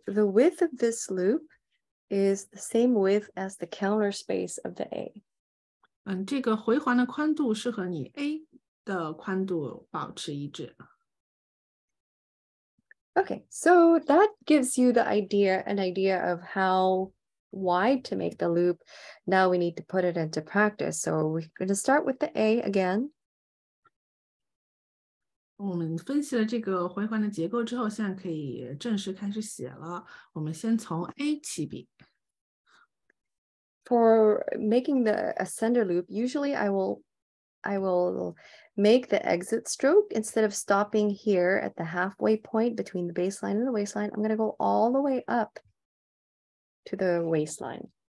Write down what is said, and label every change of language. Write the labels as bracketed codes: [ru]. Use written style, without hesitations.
[en] the width of this loop is the same width as the counter space of the A. [zh] 这个回环的宽度是和你A的宽度保持一致。 [en] Okay, so that gives you the idea, an idea of how wide to make the loop. Now we need to put it into practice. So we're going to start with the A again. [zh] 我们分析了这个回环的结构之后，现在可以正式开始写了。我们先从A起笔。 [en] For making the ascender loop, usually I will make the exit stroke instead of stopping here at the halfway point between the baseline and the waistline. I'm going to go all the way up to the waistline.